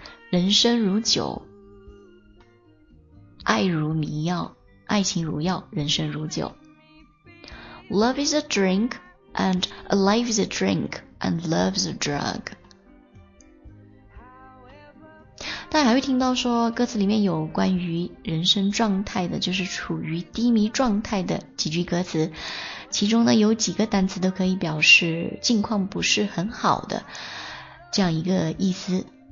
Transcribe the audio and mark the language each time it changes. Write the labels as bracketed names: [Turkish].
[Chinese] 人生如酒，爱如迷药，爱情如药，人生如酒。 [English] Love is a drink, and life is a drink, and love's a drug. [Chinese] 大家还会听到说，歌词里面有关于人生状态的，就是处于低迷状态的几句歌词。其中呢有几个单词都可以表示境况不是很好的这样一个意思。